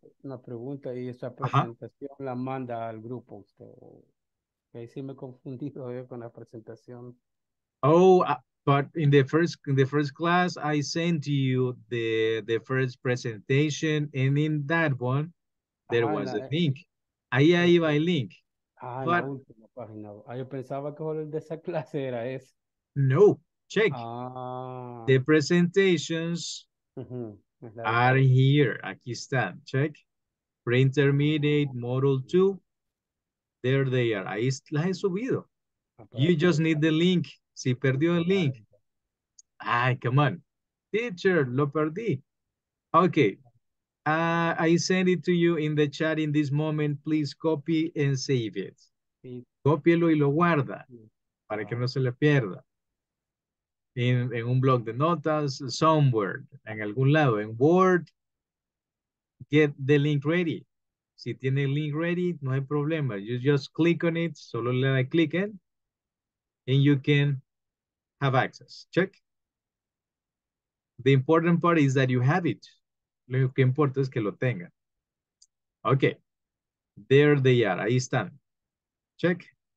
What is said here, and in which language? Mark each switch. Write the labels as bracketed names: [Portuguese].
[Spanish] Una pregunta y esa presentación la manda al grupo usted. Ahí sí me he confundido yo con la presentación. Oh, [English] But in the first class, I sent you the first presentation, and in that one, there was a link. [Spanish] Ahí ahí va el link. La última página. Ah, yo pensaba que solo el de esa clase era ese. [English] No, check. The presentations are here. [Spanish] Aquí están. [English] Check. Pre-intermediate, module 2. There they are. [Spanish] Ahí las he subido. [English] You just need the link. [Spanish] Si perdió el link. Ay, [English] come on. [Spanish] Teacher, lo perdí. Okay. [English] I send it to you in the chat in this moment. Please copy and save it. [Spanish] Cópielo y lo guarda para que no se le pierda. En un blog de notas, somewhere, en algún lado, en Word, [English] get the link ready. [Spanish] Si tiene el link ready, no hay problema. [English] You just click on it, [Spanish] solo le da click en, [English] and you can have access. Check. The important part is that you have it. [Spanish] Lo que importa es que lo tenga. Okay. [English] There they are. [Spanish] Ahí están. Check.